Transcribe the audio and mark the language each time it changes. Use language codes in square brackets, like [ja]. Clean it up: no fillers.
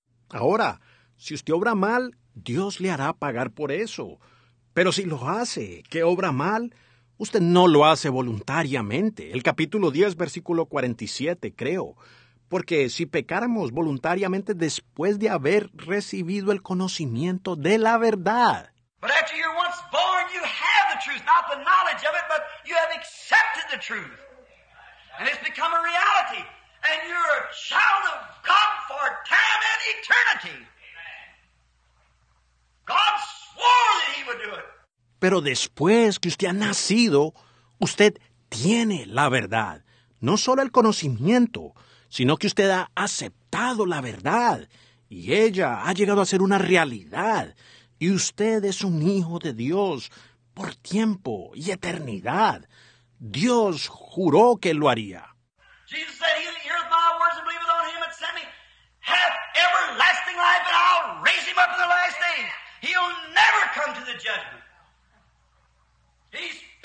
[es] Ahora, si usted obra mal, Dios le hará pagar por eso. Pero si lo hace, que obra mal, usted no lo hace voluntariamente. El capítulo 10, versículo 47, creo. Porque si pecáramos voluntariamente después de haber recibido el conocimiento de la verdad. [en] But after you're once born, you have the truth, not the knowledge of it, but you have accepted the truth. And it's become a reality. And you're a child of God for time and eternity. God swore that he would do it. [es] Pero después que usted ha nacido, usted tiene la verdad. No solo el conocimiento, sino que usted ha aceptado la verdad. Y ella ha llegado a ser una realidad. Y usted es un hijo de Dios por tiempo y eternidad. Dios juró que lo haría. [en] Jesus said, he that heareth my words and believeth on him that sent me hath everlasting life, and I'll raise him up in the last days. He'll never come to the judgment. He's